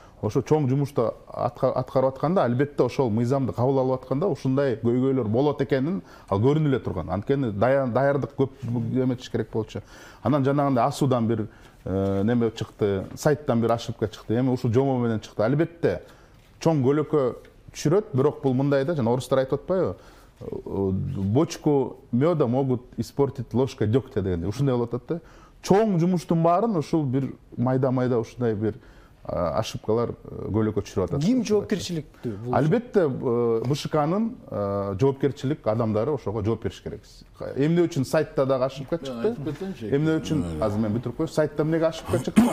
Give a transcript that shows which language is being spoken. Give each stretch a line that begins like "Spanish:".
Kyrgyz: Ошо чоң жумушту аткарып атканда албетте ошол мыйзамды кабыл алып атканда ушундай көйгөйлөр болот экенин ал көрүнүлө турган. Анткени даярдык көп эметиш керек болчу. Анан жанагындай асуудан бир неме чыкты, сайттан бир ошибка чыкты. Эми ушул жомо менен чыкты. Албетте чоң көлөккө түшүрөт, бирок бул мындай да, жана орустар айтып атпайбы?
Russian: Бочку мёда могут испортить ложка дёгтя дегенде.
Kyrgyz: Ушундай болот атты. Чоң жумуштун баарын ушул бир майда-майда ушундай бир ошибкалар көлөккө түшүрүп атат. Ким жоопкерчиликтүү? Албетте, БШКнын жоопкерчилик адамдары ошого жооп бериш керек. Эмне үчүн сайтта дагы ошибка чыкты? Эмне үчүн, азыр мен бүтүрүп коёюн, сайтта эмнеге ошибка чыкты?